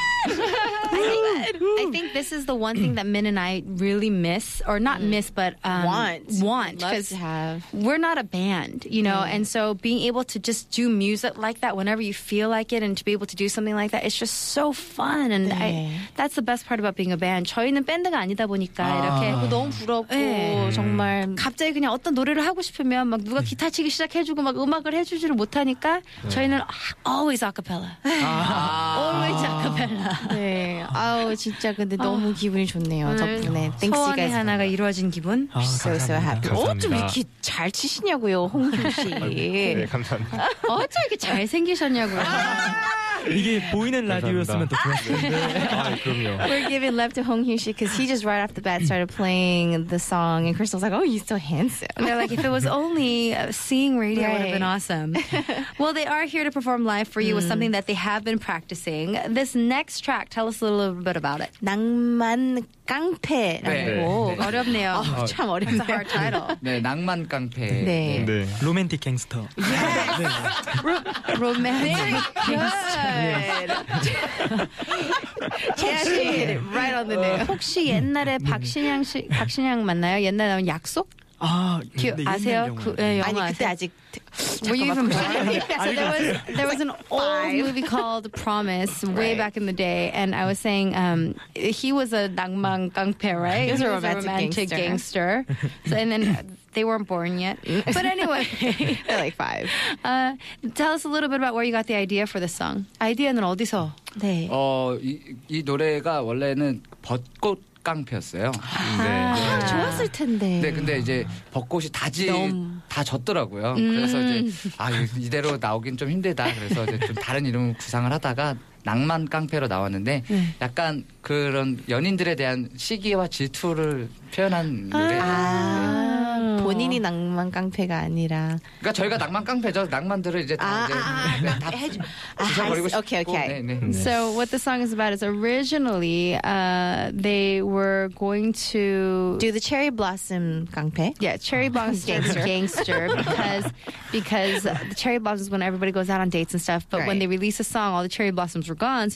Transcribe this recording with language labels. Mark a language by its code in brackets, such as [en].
[en] I think this is the one thing that Min and I really miss, or not miss, but want. Love to have. We're not a band, you know, and so being able to just do music like that whenever you feel like it, and to be able to do something like that, it's just so fun. And that's the best part about being a band. [ko] 저희는 밴드가 아니다 보니까 이렇게 너무 부럽고 정말 갑자기 그냥 어떤 노래를 하고 싶으면 막 누가 기타 치기 시작해주고 막 음악을 해주지를 못하니까 저희는 [en] always acapella. Always acapella. [ko] 네. 아우 진짜 근데 너무 기분이 좋네요. 덕분에 [en] thanks you guys. [ko] 소원의 하나가 이루어진 기분. [en] So happy. [ko] 어쩜 이렇게 잘 치시냐고요, 홍규 씨. 네, 감사합니다. 어쩜 이렇게 잘 생기셨냐고요. 이게 보이는 라디오였으면 또 그랬는데. 아, 그럼요. [en] We're giving love to Hong Hyun-shi because he just right off the bat started playing the song and Crystal's like, oh, he's so handsome. And they're like, if it was only seeing radio, it would have been awesome. Well, they are here to perform live for you with something that they have been practicing. This next track, tell us a little bit about it. [ko] 낭만 깡패. 어렵네요. 참 어렵네요. [en] It's a hard title. [ko] 네, 낭만 깡패. 네. [en] 로맨틱 갱스터. 로맨틱 갱스터. Yes. right on the nail. [ko] 혹시 옛날에 박신양 씨, 박신양 맞나요? 옛날에 나온 약속? 아, 기억 아세요? 그, 네, 영화 아니 아세요? 그때 아직. [en] Were you even born? there was an old movie called Promise way back in the day, and I was saying he was a 낭만 깡패, right? He was a romantic gangster. So, and then they weren't born yet. But anyway, they're like five. Tell us a little bit about where you got the idea for this song. [ko] Idea는 어디서? 네. 이 노래가 원래는 벚꽃 깡패였어요. 아, 네. 아, 좋았을 텐데. 네, 근데 이제 벚꽃이 다 졌더라고요. 그래서 이제 이대로 나오긴 좀 힘들다. 그래서 이제 좀 다른 이름을 구상을 하다가 낭만 깡패로 나왔는데 약간 그런 연인들에 대한 시기와 질투를 표현한 노래. 본인이 낭만 깡패가 아니라. 그러니까 저희가 낭만 깡패죠. 낭만들을 이제 다 해주. 오케이 오케이. [en] So what the song is about is originally they were going to do the cherry blossom 깡패. Yeah, cherry blossom gangster because the cherry blossom is when everybody goes out on dates and stuff. But when they release a song, all the cherry blossoms were gone.